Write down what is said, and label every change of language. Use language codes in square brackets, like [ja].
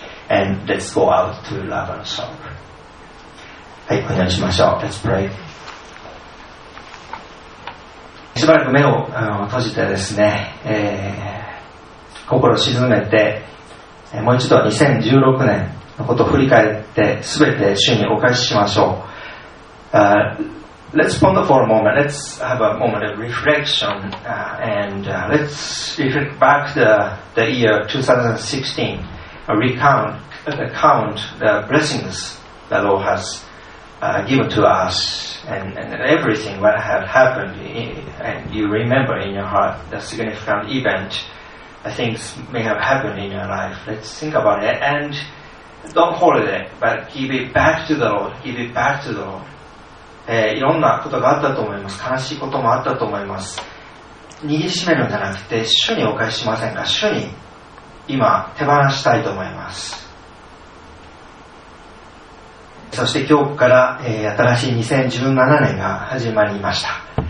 [en] And let's go out to love and serve. [ja] はい、お願いしましょう。 [en] Let's pray. [ja] しばらく目を閉じてですね、心を沈めて、もう一度2016年のことを振り返って、すべて主にお返ししましょう。 [en] Let's ponder for a moment. Let's have a moment of reflection, and let's reflect back the year 2016. Recount the blessings the Lord has given to us, and everything that had happened. And you remember in your heart the significant event, things may have happened in your life. Let's think about it, and don't hold it, but give it back to the Lord. Give it back to the Lord. [ja] いろんなことがあったと思います。悲しいこともあったと思います。握りしめるんじゃなくて、主にお返ししませんか。主に今手放したいと思います。そして今日から、新しい2017年が始まりました。